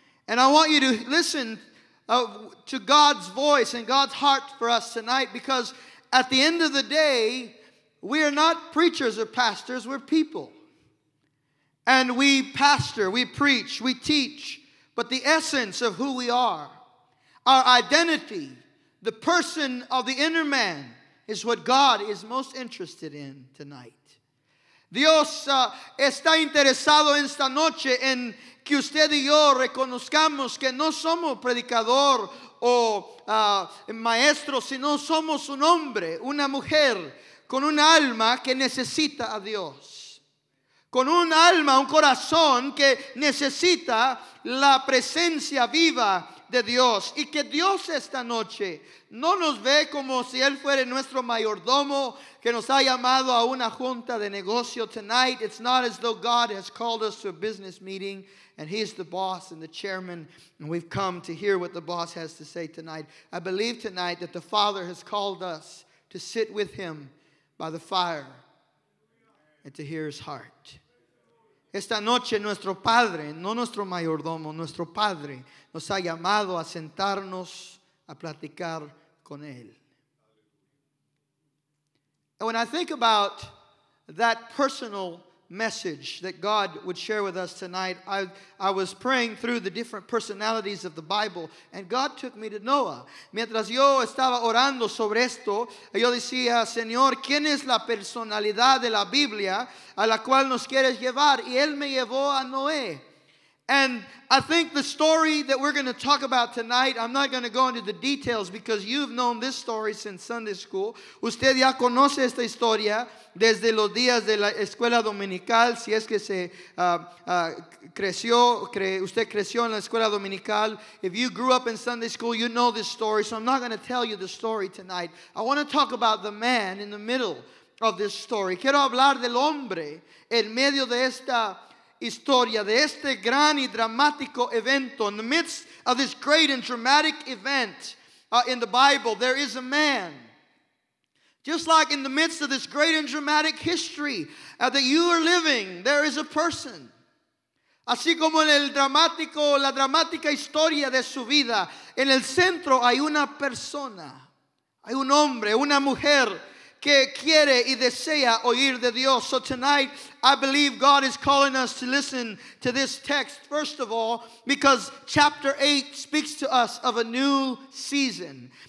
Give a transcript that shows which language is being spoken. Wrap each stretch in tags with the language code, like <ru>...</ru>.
<en>And I want you to listen to God's voice and God's heart for us tonight, because at the end of the day, we are not preachers or pastors, we're people. And we pastor, we preach, we teach, but the essence of who we are, our identity, the person of the inner man, is what God is most interested in tonight.</en> <es>Dios está interesado esta noche en que usted y yo reconozcamos que no somos predicador o maestro, sino somos un hombre, una mujer, con un alma que necesita a Dios. Con un alma, un corazón que necesita la presencia viva de Dios. Y que Dios esta noche no nos ve como si Él fuera nuestro mayordomo que nos ha llamado a una junta de negocio tonight.</es> <en>It's not as though God has called us to a business meeting and he's the boss and the chairman, and we've come to hear what the boss has to say tonight. I believe tonight that the Father has called us to sit with him by the fire and to hear his heart.</en> <es>Esta noche nuestro Padre, no nuestro mayordomo, nuestro Padre nos ha llamado a sentarnos a platicar con él.</es> <en>And when I think about that personal message that God would share with us tonight, I was praying through the different personalities of the Bible, and God took me to Noah.</en> <es>Mientras yo estaba orando sobre esto, yo decía, Señor, ¿quién es la personalidad de la Biblia a la cual nos quieres llevar? Y él me llevó a Noé.</es> <en>And I think the story that we're going to talk about tonight, I'm not going to go into the details because you've known this story since Sunday school.</en> <es>Usted ya conoce esta historia desde los días de la escuela dominical, si es que se usted creció en la escuela dominical.</es> <en>If you grew up in Sunday school, you know this story, so I'm not going to tell you the story tonight. I want to talk about the man in the middle of this story.</en> <es>Quiero hablar del hombre en medio de esta historia, de este gran y dramático evento.</es> <en>In the midst of this great and dramatic event in the Bible, there is a man. Just like in the midst of this great and dramatic history that you are living, there is a person.</en> <es>Así como en el dramático, la dramática historia de su vida, en el centro hay una persona, hay un hombre, una mujer que quiere y desea oír de Dios.</es> <en>So tonight, I believe God is calling us to listen to this text, first of all, because chapter 8 speaks to us of a new season.</en>